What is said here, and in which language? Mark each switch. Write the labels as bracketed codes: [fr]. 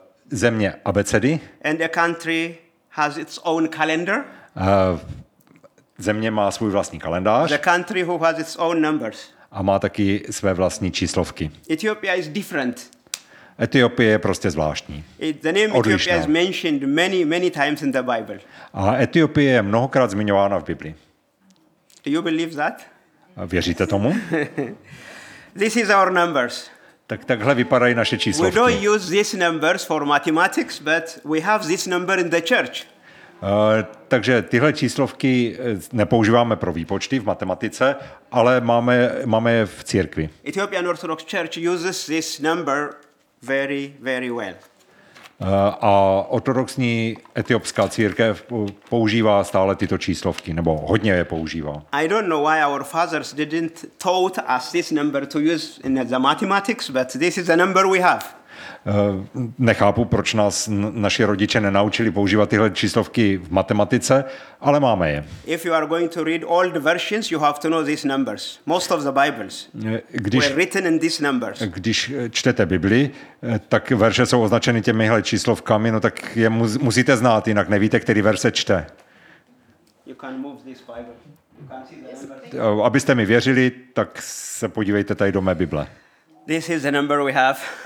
[cs] Země abecedy. [en] And a country has its own calendar. [cs] Země má svůj vlastní kalendář. [en] The country who has its own numbers. [cs] A má taky své vlastní číslovky. [en] Ethiopia is different. [cs] Etiopie je prostě zvláštní. [en] The name Ethiopia is mentioned many, many times in the Bible. [cs] A Etiopie je mnohokrát zmiňována v Biblii. [en] Do you believe that? [cs] Věříte tomu? [en] This is our numbers. [cs] Tak takhle vypadají naše číslovky. [en] We don't use these numbers for mathematics, but we have this number in the church. [cs] Takže tyhle číslovky nepoužíváme pro výpočty v matematice, ale máme je v církvi. [en] Ethiopian Orthodox Church uses this number very, very well. [cs] A ortodoxní etiopská církev používá stále tyto číslovky, nebo hodně je používá. [en] I don't know why our fathers didn't taught us this number to use in the mathematics, but this is the number we have. [cs] Nechápu, proč nás naši rodiče nenaučili používat tyhle číslovky v matematice, ale máme je. [en] If you are going to read old versions, you have to know these numbers. Most of the Bibles were written in these numbers. [cs] Když čtete Bibli, tak verše jsou označeny těmihle číslovkami, no tak je musíte znát, jinak nevíte, který verse čte. [en] You can move this Bible. You can see the numbers. [cs] Abyste mi věřili, tak se podívejte tady do mé Bible. [en] This is the number we have.